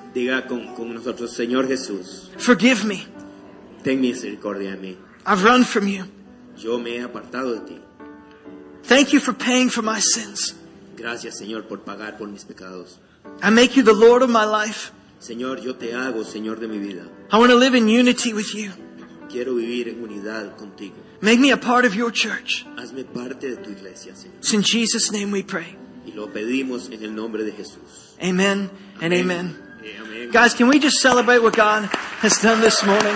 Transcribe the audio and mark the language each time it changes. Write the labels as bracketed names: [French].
[Spanish] diga con nosotros, Señor Jesús, [English] forgive me. [Spanish] Ten misericordia de mí. [English] I've run from you. [Spanish] Yo me he apartado de ti. [English] Thank you for paying for my sins. [Spanish] Gracias, Señor, por pagar por mis pecados. [English] I make you the Lord of my life. [Spanish] Señor, yo te hago Señor de mi vida. [English] I want to live in unity with you. [Spanish] Quiero vivir en unidad contigo. [English] Make me a part of your church. [Spanish] Hazme parte de tu iglesia, Señor. [English] It's in Jesus' name we pray. [Spanish] Y lo pedimos en el nombre de Jesús. [English] Amen and amen. Amen. Guys, can we just celebrate what God has done this morning?